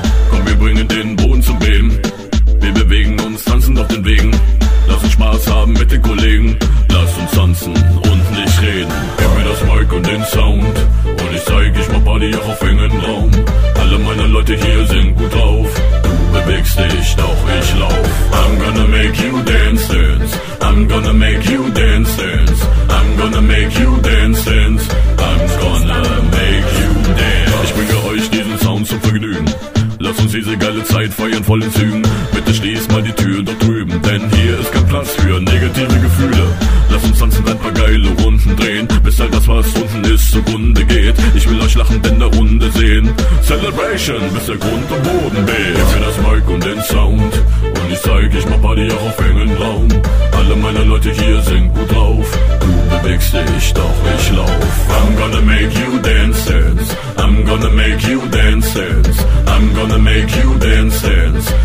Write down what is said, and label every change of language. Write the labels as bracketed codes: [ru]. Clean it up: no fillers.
[de] Komm, wir bringen den Boden zum Beben. Wir bewegen uns tanzend auf den Wegen. Lass uns Spaß haben mit den Kollegen. Lass uns tanzen und nicht reden. Gib mir das Mic und den Sound. Und ich zeig, ich mach Party auch auf engen Raum. Alle meine Leute hier sind gut drauf. Du bewegst dich, doch ich lauf. [en] I'm gonna make you dance, dance. I'm gonna make you dance, dance. I'm gonna make you dance, dance. I'm gonna make you dance. [de] Ich bringe euch diesen Sound zum Vergnügen. Lass uns diese geile Zeit feiern, voll in Zügen. Bitte schließ mal die Tür dort drüben. Denn hier ist kein Platz für negative Gefühle. Lass uns tanzen, ein paar geile Runden drehen. Bis all das, was unten ist, zugrunde geht. Ich will euch lachend in der Runde sehen. Celebration, bis der Grund am Boden weht. Gib mir das Mic und den Sound. Und ich zeig, ich mach Party auch auf engen Raum. Alle meine Leute hier sind gut drauf. Du bewegst dich, doch ich lauf. [en] I'm gonna make you dance, dance. I'm gonna make you dance, dance. I'm gonna make you dance, dance.